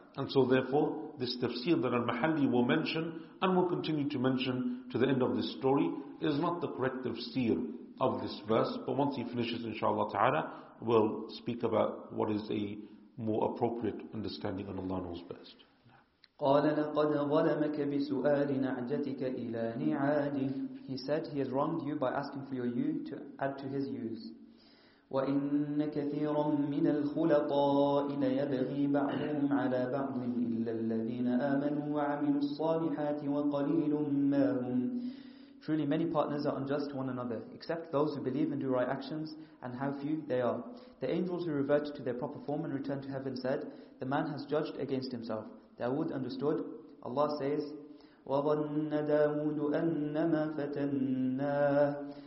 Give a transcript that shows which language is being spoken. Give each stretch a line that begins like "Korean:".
English: And so therefore, this tafsir that Al-Mahalli will mention, and will continue to mention to the end of this story, is not the correct tafsir of this verse. But once he finishes, inshallah ta'ala, we'll speak about what is a more appropriate understanding, and Allah knows best.
Arabic: قال لقد ظلمك بسؤال نعجتك إلى نعاجه.
English: He said he has wronged you by asking for your ewe to add to his ewes.
Arabic: وإن كثيرا من الخلطاء ليبغي بعضهم على بعض إلا الذين آمنوا وعملوا الصالحات وقليل ما هم.
English: Truly many partners are unjust to one another, except those who believe and do right actions, and how few they are. The angels who revert to their proper form and return to heaven said, the man has judged against himself. Dawood understood. Allah says,
Arabic: وَظَنَّ دَاوُودُ أَنَّمَا فَتَنَّاهُ.